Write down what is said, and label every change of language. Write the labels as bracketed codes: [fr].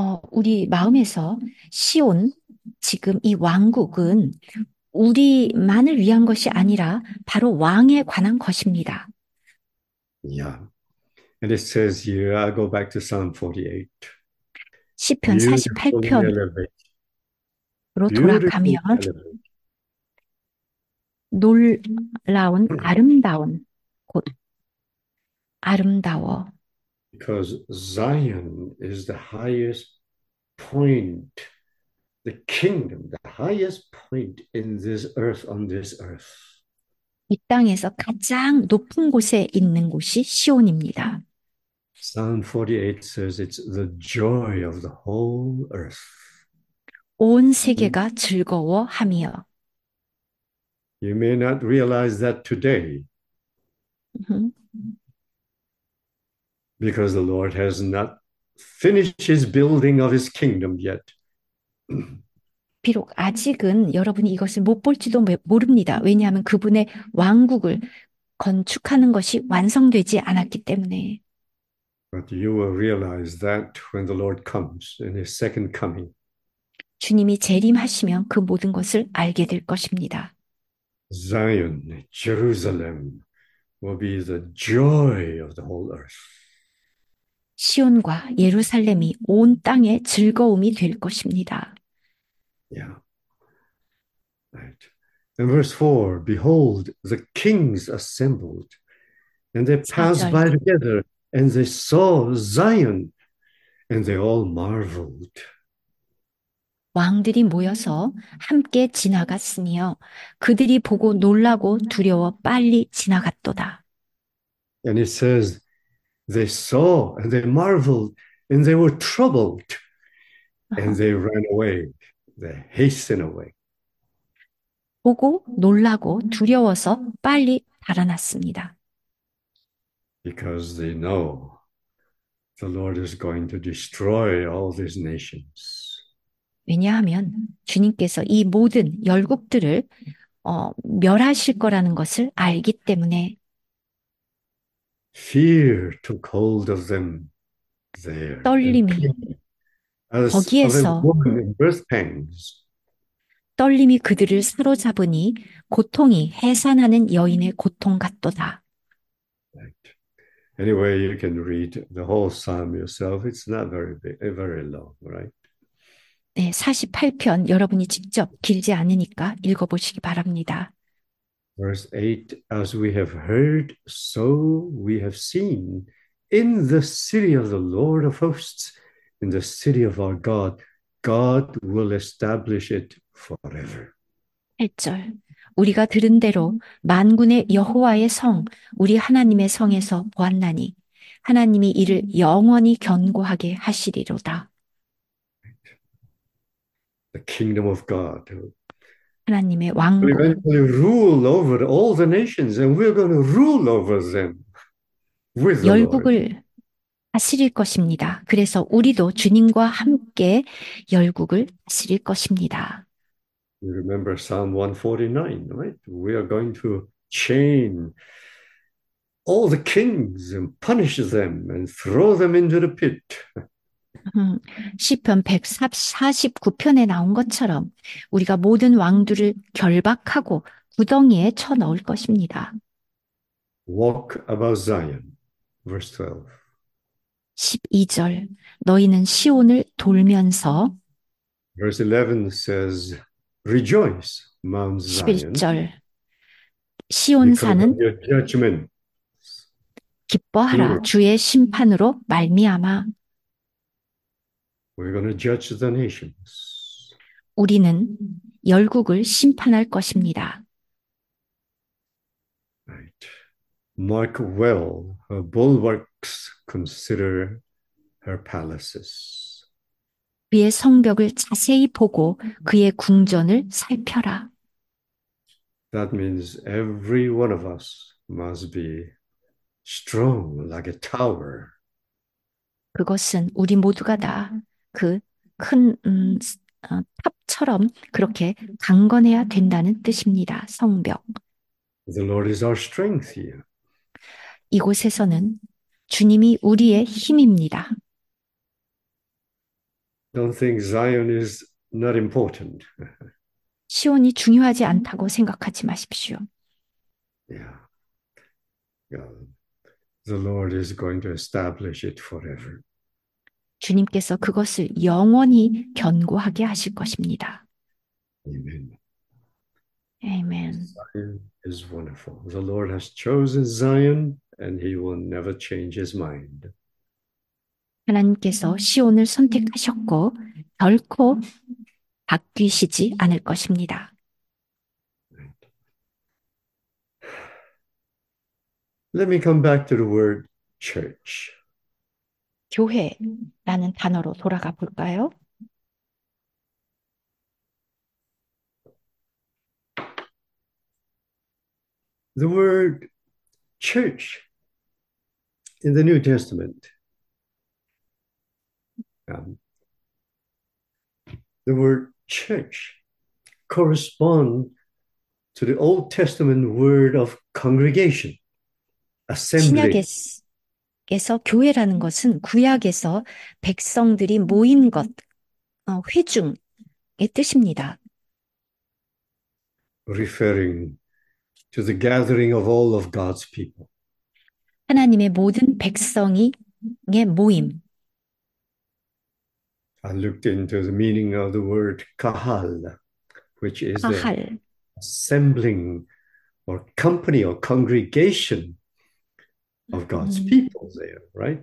[ko] 우리 마음에서 시온, 지금 이 왕국은 우리만을 위한 것이 아니라 바로 왕에 관한 것입니다. [en] Yeah. And it says here, I go back to Psalm 48. [ko] 시편 48편으로 [en] Beautifully elevated. [ko] 돌아가면 [en] Beautifully elevated. [ko] 놀라운 아름다운 곳, 아름다워. [en] Because Zion is the highest point, the kingdom, the highest point in this earth, on this earth. [ko] 이 땅에서 가장 높은 곳에 있는 곳이 시온입니다. [en] Psalm 48 says it's the joy of the whole earth. [ko] 온 세계가 즐거워하며 [en] You may not realize that today because the Lord has not finished his building of his kingdom yet. [ko] 비록 아직은 여러분이 이것을 못 볼지도 모릅니다. 왜냐하면 그분의 왕국을 건축하는 것이 완성되지 않았기 때문에. [en] But you will realize that when the Lord comes in his second coming. [ko] 주님이 재림하시면 그 모든 것을 알게 될 것입니다. [en] Zion, Jerusalem will be the joy of the whole earth. [ko] 시온과 예루살렘이 온 땅의 즐거움이 될 것입니다. [en] In verse 4, behold, the kings assembled, and they passed by [ko] 4절. [en] together, and they saw Zion, and they all marveled. [ko] 왕들이 모여서 함께 지나갔으며 그들이 보고 놀라고 두려워 빨리 지나갔도다. [en] And it says, they saw and they marveled and they were troubled and they ran away, they hastened away. [ko] 보고 놀라고 두려워서 빨리 달아났습니다. [en] Because they know the Lord is going to destroy all these nations. [ko] 왜냐하면 주님께서 이 모든 열국들을 멸하실 거라는 것을 알기 때문에 [en] Fear took hold of them there and panic, [ko] 떨림이 [en] as of a [ko] 거기에서 [en] woman in birth pangs. [ko] 떨림이 그들을 사로잡으니 고통이 해산하는 여인의 고통 같도다. [en] Anyway, you can read the whole psalm yourself. It's not very long, right? [ko] 네, 48편 여러분이 직접 길지 않으니까 읽어보시기 바랍니다. [en] Verse 8, as we have heard, so we have seen in the city of the Lord of hosts, in the city of our God, God will establish it forever. [ko] 8절. 우리가 들은 대로 만군의 여호와의 성, 우리 하나님의 성에서 보았나니 하나님이 이를 영원히 견고하게 하시리로다. [en] The kingdom of God. [ko] 하나님의 [en] We [ko] 왕국. [en] eventually rule over all the nations, and we're going to rule over them with the Lord. [ko] 열국을 다스릴 것입니다. 그래서 우리도 주님과 함께 열국을 다스릴 것입니다. [en] You remember Psalm 149, right? We are going to chain all the kings and punish them and throw them into the pit. [ko] 시편 149편에 나온 것처럼 우리가 모든 왕들을 결박하고 구덩이에 쳐넣을 것입니다. [en] Walk about Zion, verse 12. [ko] 12절, 너희는 시온을 돌면서 [en] Verse 11 says, Rejoice, Mount Zion, [ko] 11절, 시온산은 [en] because of your judgment. [ko] 기뻐하라, [en] Here. [ko] 주의 심판으로 말미암아. [en] We're going to judge the nations. [ko] 우리는 열국을 심판할 것입니다. [en] Mark well her bulwarks, consider her palaces. [ko] 그의 성벽을 자세히 보고 그의 궁전을 살펴라. [en] That means every one of us must be strong like a tower. [ko] 그것은 우리 모두가 다그큰 탑처럼 그렇게 강건해야 된다는 뜻입니다. 성벽. [en] The Lord is our strength here. [ko] 이곳에서는 주님이 우리의 힘입니다. [en] Don't think Zion is not important. [ko] 시온이 중요하지 않다고 생각하지 마십시오. [en] The Lord is going to establish it forever. [ko] 주님께서 그것을 영원히 견고하게 하실 것입니다. 아멘. [en] Amen. Zion is wonderful. The Lord has chosen Zion, and he will never change his mind. [ko] 하나님께서 시온을 선택하셨고, 결코 바뀌시지 않을 것입니다. [en] Let me come back to the word church. [ko] 교회라는 단어로 돌아가 볼까요? [en] The word church in the New Testament, word church corresponds to the Old Testament word of congregation, assembly. [ko] 신약에서 교회라는 것은 구약에서 백성들이 모인 것, 회중의 뜻입니다. [en] Referring to the gathering of all of God's people. [ko] 하나님의 모든 백성이의 모임. [en] I looked into the meaning of the word kahal, which is the kahal. assembling or company or congregation of God's people there, right?